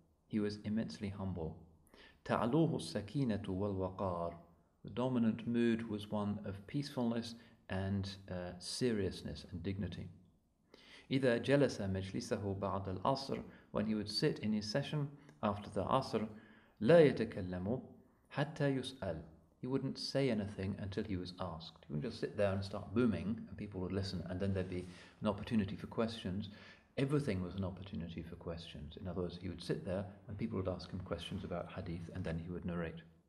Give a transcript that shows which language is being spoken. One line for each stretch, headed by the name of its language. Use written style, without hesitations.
English: He was immensely humble.
Arabic: تعلوه السكينة والوقار.
English: The dominant mood was one of peacefulness and seriousness and dignity.
Arabic: إذا جلس مجلسه بعد العصر,
English: when he would sit in his session after the عصر,
Arabic: لا يتكلم حتى يسأل.
English: He wouldn't say anything until he was asked. He wouldn't just sit there and start booming and people would listen and then there'd be an opportunity for questions. Everything was an opportunity for questions. In other words, he would sit there and people would ask him questions about hadith and then he would narrate.